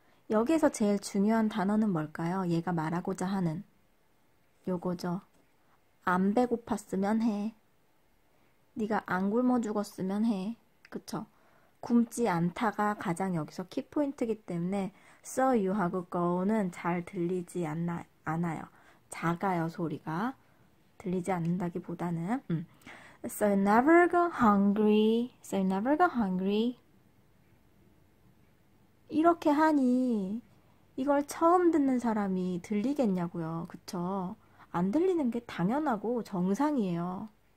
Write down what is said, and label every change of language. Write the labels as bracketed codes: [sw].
[ko] 여기에서 제일 중요한 단어는 뭘까요? 얘가 말하고자 하는. 요거죠. 안 배고팠으면 해. 네가 안 굶어 죽었으면 해. 그쵸? 굶지 않다가 가장 여기서 키포인트이기 때문에 [en] so you [ko] 하고 go는 잘 들리지 않아요. 작아요, 소리가. 들리지 않는다기보다는. [en] So you never go hungry. So you never go hungry. [ko] 이렇게 하니 이걸 처음 듣는 사람이 들리겠냐고요. 그쵸? 안 들리는 게 당연하고 정상이에요.